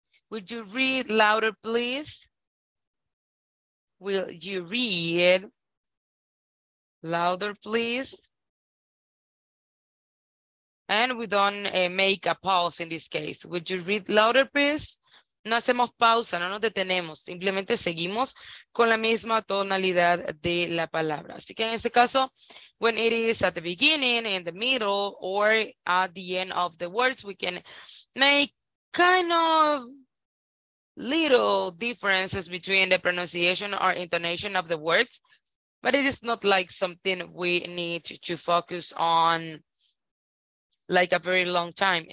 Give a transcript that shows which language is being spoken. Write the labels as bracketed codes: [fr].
[en] Would you read louder, please? Will you read louder, please? And we don't make a pause in this case. Would you read louder, please? [es] No hacemos pausa, no nos detenemos. Simplemente seguimos con la misma tonalidad de la palabra. Así que en este caso, [en] when it is at the beginning, in the middle, or at the end of the words, we can make kind of little differences between the pronunciation or intonation of the words, but it is not like something we need to focus on like a very long time.